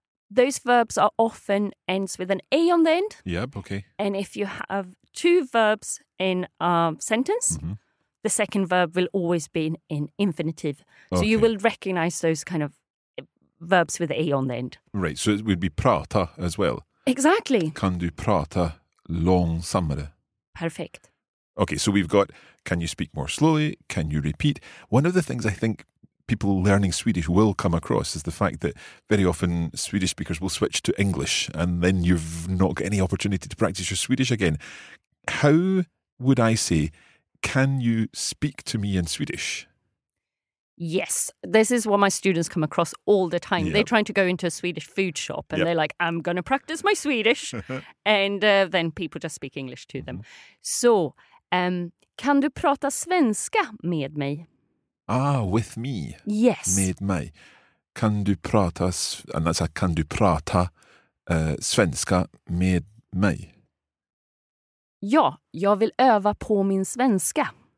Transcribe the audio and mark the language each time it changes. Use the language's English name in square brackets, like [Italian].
[English] Those verbs are often ends with an A on the end. Yep, okay. And if you have two verbs in a sentence, mm-hmm. the second verb will always be in infinitive. Okay. So you will recognize those kind of verbs with A on the end. Right, so it would be prata as well. Exactly. [Swedish] Kan du prata långsammare? [English] Perfect. Okay, so we've got, can you speak more slowly? Can you repeat? One of the things I think people learning Swedish will come across is the fact that very often Swedish speakers will switch to English and then you've not got any opportunity to practice your Swedish again. How would I say, can you speak to me in Swedish? Yes, this is what my students come across all the time. Yep. They're trying to go into a Swedish food shop and yep. they're like, I'm going to practice my Swedish. And then people just speak English to them. [Swedish] So, kan du prata svenska med mig? [English] Ah, with me. Yes. [Swedish] Med mig. Kan du prata, [English] and that's a [Swedish] kan du prata svenska med mig? Ja, jag vill öva på min svenska.